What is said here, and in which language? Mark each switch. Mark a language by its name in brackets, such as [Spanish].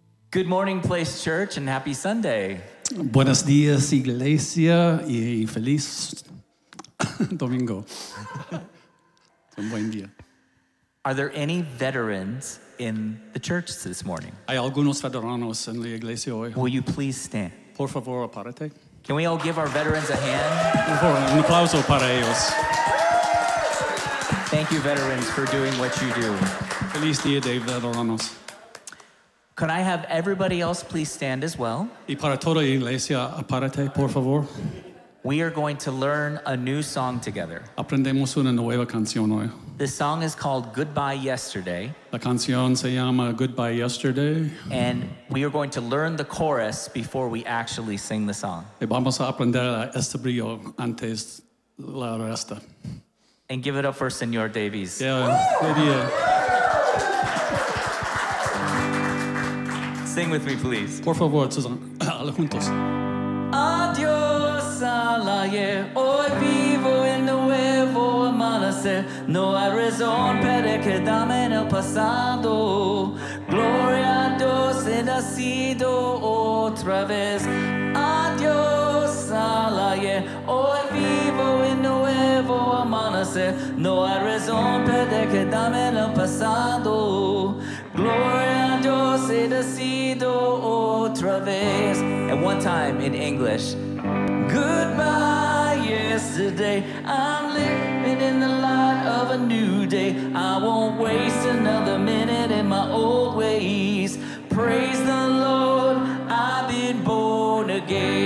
[English] Good morning, Place Church, and happy Sunday. [Spanish] Buenos días, Iglesia, y feliz domingo. Un buen día. [English] Are there any veterans in the church this morning? [Spanish] Hay algunos veteranos en la iglesia hoy. [English] Will you please stand? [Spanish] Por favor, apárate. [English] Can we all give our veterans a hand? [Spanish] Por favor, un aplauso para ellos. [English] Thank you, veterans, for doing what you do. [Spanish] Feliz día de veteranos. [English] Could I have everybody else please stand as well? [Spanish] Y para toda iglesia, apárate, por favor. [English] We are going to learn a new song together. [Spanish] Aprendemos una nueva canción hoy. [English] This song is called Goodbye Yesterday. [Spanish] La canción se llama Goodbye Yesterday. [English] And we are going to learn the chorus before we actually sing the song. [Spanish] Y vamos a aprender el estribillo antes la resta. [English] And give it up for Señor Davies. Yeah. Sing with me, please. [Spanish] Por favor, todos juntos. Adiós al ayer, hoy vivo el nuevo amanecer. No hay razón para quedarme en el pasado. Gloria a Dios, he nacido otra vez. Adiós al ayer, hoy vivo el nuevo amanecer. No hay razón para quedarme en el pasado. Gloria a Dios, he nacido otra vez. [English] And one time in English. Goodbye yesterday, I'm living in the light of a new day. I won't waste another minute in my old ways. Praise the Lord, I've been born again.